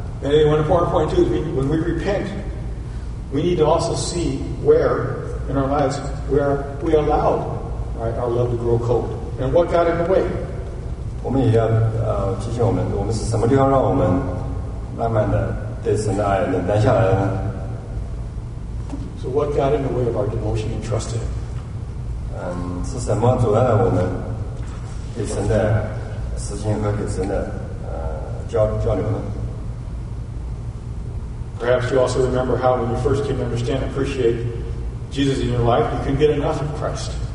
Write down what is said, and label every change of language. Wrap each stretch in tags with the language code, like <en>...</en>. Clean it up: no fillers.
<en>And one important point too is when we repent, we need to also see where in our lives where we allowed our love to grow cold and what got in the way.</en> <zh>我们也要提醒我们，我们是什么地方让我们慢慢的对神的爱冷淡下来呢？</zh> <en>So what got in the way of our devotion and trust in Him?</en> <zh>是什么阻碍了我们给神的时间和给神的交流呢？</zh> <en>Perhaps you also remember how when you first came to understand and appreciate Jesus in your life, you couldn't get enough of Christ.</en>